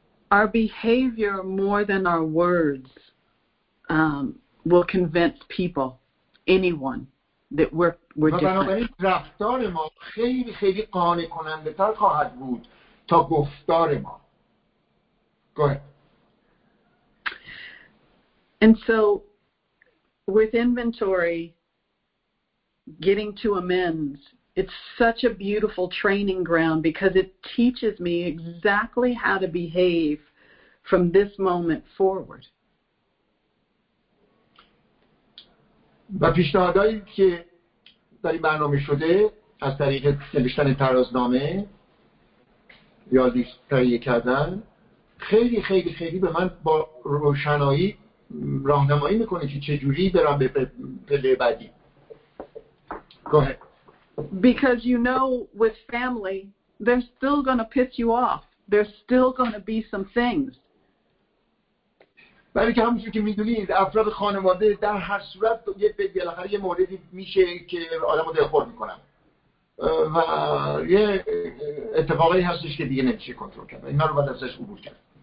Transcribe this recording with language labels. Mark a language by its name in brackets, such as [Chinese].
[English] Our behavior more than our words will convince people, anyone, that we're different. [Persian] بنابراین رفتار ما خیلی خیلی قانع کننده تر خواهد بود تا گفتار ما. [English] Go ahead. And so with inventory, getting to amends, it's such a beautiful training ground because it teaches me exactly how to behave from this moment forward. [Persian] و پیشنهادایی که در این برنامه شده از طریق نوشتن ترازنامه یا دیستریه کردن خیلی خیلی خیلی به من با روشنایی راهنمایی میکنه که چجوری برم به پله بعدی. [English] Go ahead. Because you know with family, they're still going to piss you off. There's still going to be some things. [Persian] برای که همونجور که میدونید افراد خانواده در هر صورت یه بالاخره یه موردی میشه که آدم رو دلخور میکنن و یه اتفاقی هستش که دیگه نمیشه کنترل کرد، اینا رو باید ازش عبور کرد.